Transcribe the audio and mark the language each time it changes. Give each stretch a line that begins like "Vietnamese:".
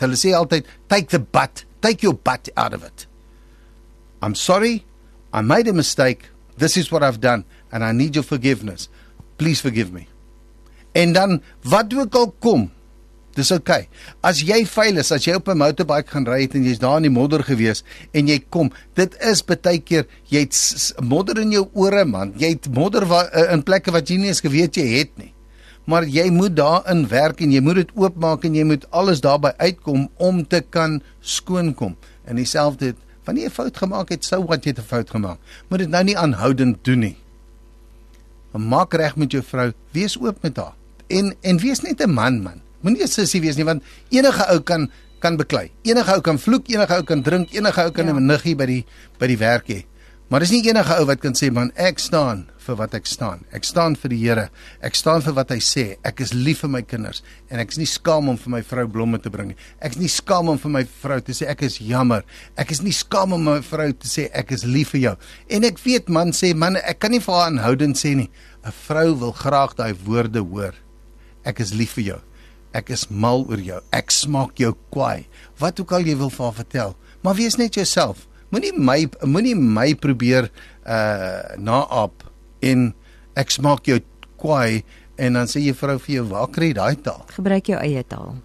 Afrikaans: Hulle sê altyd,
English: take the but, take your but out of it. I'm sorry, I made a mistake, this is what I've done, and I need your forgiveness. Please forgive me.
Afrikaans: En dan, wat ook al kom, dis ok. As jy fail is, as jy op 'n motorbike gaan ry het, en jy is daar in die modder gewees, en jy kom, dit is baie keer, jy het modder in jou ore, man, jy het modder in plekke wat jy nie eens geweet jy het nie. Maar jy moet daarin werk, en jy moet dit oopmaak, en jy moet alles daarby uitkom, om te kan skoonkom. En dieselfde het, wanneer jy een fout gemaakt het, so wat jy het een fout gemaakt. Moet dit nou nie aanhoudend doen nie. Maak recht met jou vrou, wees oop met haar. En wees net een man, man. Moet nie een sissie wees nie, want enige ou kan beklei. Enige ou kan vloek, enige ou kan drink, enige ou kan 'n niggie by die werk hê. Maar is nie enige ou wat kan sê, man, ek staan vir wat ek staan. Ek staan vir die Here. Ek staan vir wat hy sê. Ek is lief vir my kinders. En ek is nie skaam om vir my vrou blomme te bring. Ek is nie skaam om vir my vrou te sê, ek is jammer. Ek is nie skaam om my vrou te sê, ek is lief vir jou. En ek weet, man, sê, man, ek kan nie vir haar aanhoudend sê nie. 'N vrou wil graag daai woorde hoor. Ek is lief vir jou. Ek is mal oor jou. Ek smaak jou kwaai. Wat ook al jy wil vir haar vertel. Maar wees net jouself. Moenie my probeer naap en ek smaak jou kwaai En dan sê jy vrou vir jou, waar kry jy daai taal? Gebruik jou eie taal.